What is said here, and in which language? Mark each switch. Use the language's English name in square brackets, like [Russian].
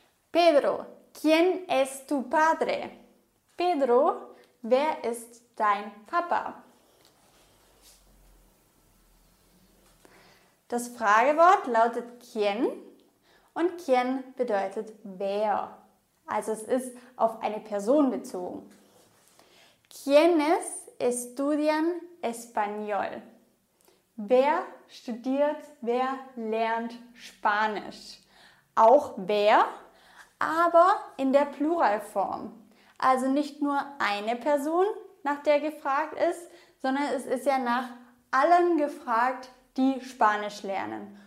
[Spanish] Pedro, ¿quién es tu padre? [German] Pedro, wer ist dein Papa? Das Fragewort lautet ¿quién? Und ¿quién? Bedeutet wer. Also es ist auf eine Person bezogen. [Spanish] ¿Quiénes estudian español? [German] Wer studiert, wer lernt Spanisch? Auch wer, aber in der Pluralform. Also nicht nur eine Person, nach der gefragt ist, sondern es ist ja nach allen gefragt, die Spanisch lernen.